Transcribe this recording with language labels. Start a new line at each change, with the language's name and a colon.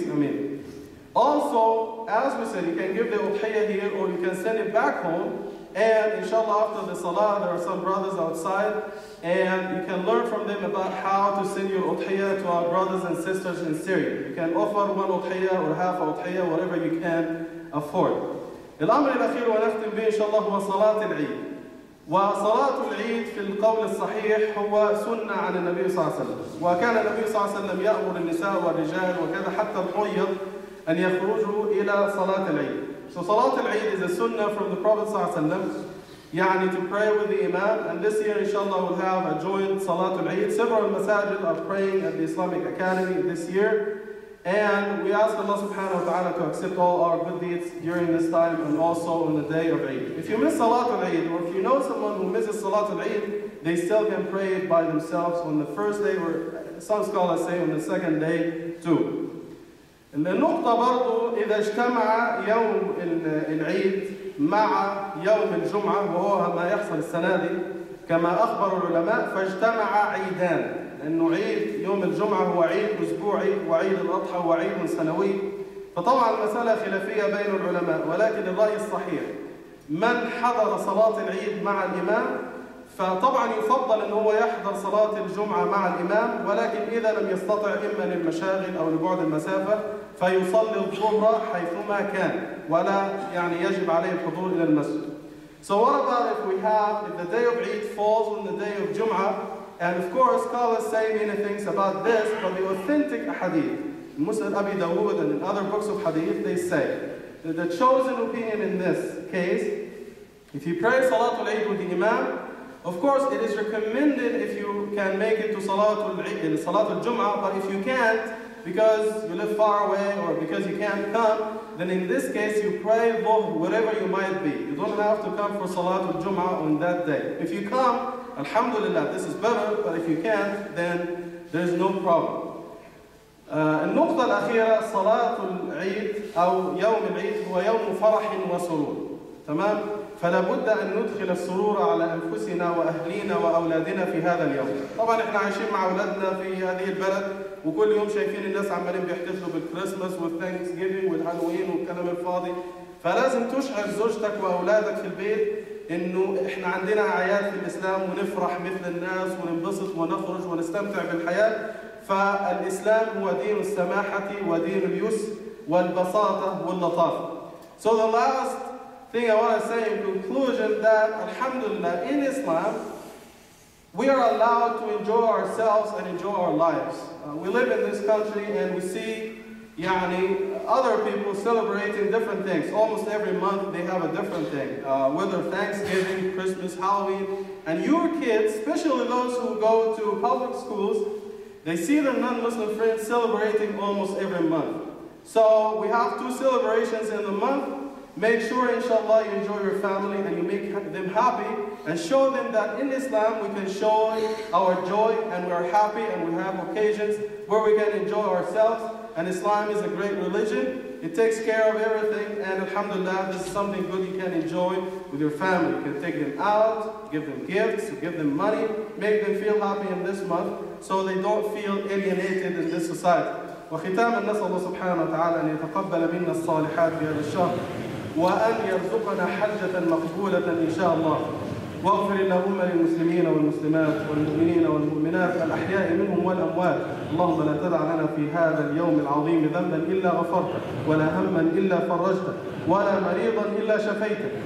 English: I mean, also, as we said, you can give the udhiyya here or you can send it back home. And inshallah, after the salah, there are some brothers outside, and you can learn from them about how to send your udhiyya to our brothers and sisters in Syria. You can offer 1 udhiyya or half a udhiyya, whatever you can afford.
Arabic: الأمر الأخير ونختم به إن شاء الله هو صلاة العيد. وصلاة العيد في القول الصحيح هو سنة عن النبي صلى الله عليه وسلم. وكان النبي صلى الله عليه وسلم يأمر النساء والرجال وكذا حتى الحيض أن يخرجوا إلى صلاة العيد.
English: So صلاة العيد is a sunnah from the Prophet
Arabic: صلى الله عليه وسلم. يعني
English: to pray with the imam. And this year inshallah we'll have a joint صلاة العيد. Several masajid are praying at the Islamic Academy this year. And we ask Allah subhanahu wa ta'ala to accept all our good deeds during this time and also on the day of Eid. If you miss صلاة العيد or if you know someone who misses صلاة العيد, they still can pray it by themselves on the first day, or some scholars say on the second day too.
Arabic: النقطة برضو إذا اجتمع يوم العيد مع يوم الجمعة وهو ما يحصل السنة دي كما أخبر العلماء فاجتمع عيدان لأنه عيد يوم الجمعة هو عيد أسبوعي وعيد الأضحى وعيد سنوي. فطبعا المسألة خلافية بين العلماء ولكن الرأي الصحيح من حضر صلاة العيد مع الإمام فطبعا يفضل ان هو يحضر صلاة الجمعة مع الإمام، ولكن إذا لم يستطع إما للمشاغل أو لبعد المسافة فيصلي الظهر حيثما كان، ولا يعني يجب عليه الحضور إلى المسجد.
English: So what about if we have, if the day of Eid falls on the day of Jum'ah? And of course, scholars say many things about this, but the authentic hadith, Musnad Abi Dawood and in other books of hadith, they say that the chosen opinion in this case, if you pray Salatul Eid with the Imam, of course it is recommended if you can make it to Salatul Jum'ah, but if you can't, because you live far away or because you can't come, then in this case you pray both, whatever you might be. You don't have to come for Salatul Jum'ah on that day. If you come, Alhamdulillah, this is better, but if you can't, then there's no problem.
Arabic: النقطة الأخيرة صلاة العيد أو يوم العيد هو يوم فرح وسرور، تمام؟ فلا بد أن ندخل السرور على أنفسنا وأهلينا وأولادنا في هذا اليوم. طبعاً إحنا عايشين مع أولادنا في هذه البلد، وكل يوم شايفين الناس عمالين بيحتفلوا بالكريسماس والثانكسجيفينج والهالوين والكلام الفاضي، فلازم تشعر زوجتك وأولادك في البيت إنه إحنا عندنا أعياد في الإسلام ونفرح مثل الناس وننبسط ونخرج ونستمتع بالحياة. فالإسلام هو دين السماحة ودين اليسر والبساطة واللطافة.
English: So the last thing I want to say in conclusion that alhamdulillah in Islam we are allowed to enjoy ourselves and enjoy our lives. We live in this country and we see
Arabic: يعني
English: other people celebrating different things. Almost every month they have a different thing, whether Thanksgiving, Christmas, Halloween. And your kids, especially those who go to public schools, they see their non-Muslim friends celebrating almost every month. So we have two celebrations in the month. Make sure, inshallah, you enjoy your family and you make them happy and show them that in Islam we can show our joy and we are happy and we have occasions where we can enjoy ourselves. And Islam is a great religion. It takes care of everything, and alhamdulillah, this is something good you can enjoy with your family. You can take them out, give them gifts, give them money, make them feel happy in this month so they don't feel alienated in this society.
Arabic: وختاما نسأل الله سبحانه وتعالى أن يتقبل منا الصالحات في هذا الشهر وأن يرزقنا حجة مقبولة إن شاء الله. واغفر لأمة المسلمين والمسلمات والمؤمنين والمؤمنات الأحياء منهم والأموات. اللهم لا تدع لنا في هذا اليوم العظيم ذنبا إلا غفرته، ولا هما إلا فرجته، ولا مريضا إلا شفيته.